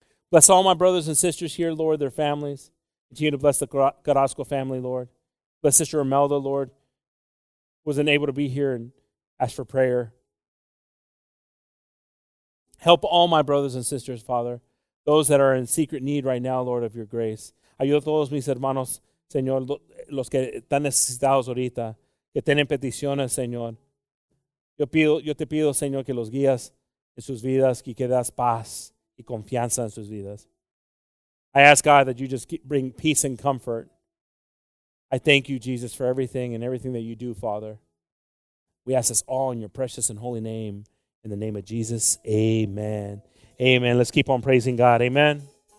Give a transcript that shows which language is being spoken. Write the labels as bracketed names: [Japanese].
[English] Bless all my brothers and sisters here, Lord, their families. Continue to bless the Carrasco family, Lord. Bless Sister Imelda, Lord, who wasn't able to be here and ask for prayer. Help all my brothers and sisters, Father, those that are in secret need right now, Lord, of your grace. [Spanish] Ayuda a todos mis hermanos, Señor, los que están necesitados ahorita, que tienen peticiones, Señor. Yo te pido, Señor, que los guías en sus vidas y que das paz y confianza en sus vidas. [English] I ask, God, that you just bring peace and comfort. I thank you, Jesus, for everything and everything that you do, Father. We ask this all in your precious and holy name. In the name of Jesus, amen. Amen. Let's keep on praising God. Amen.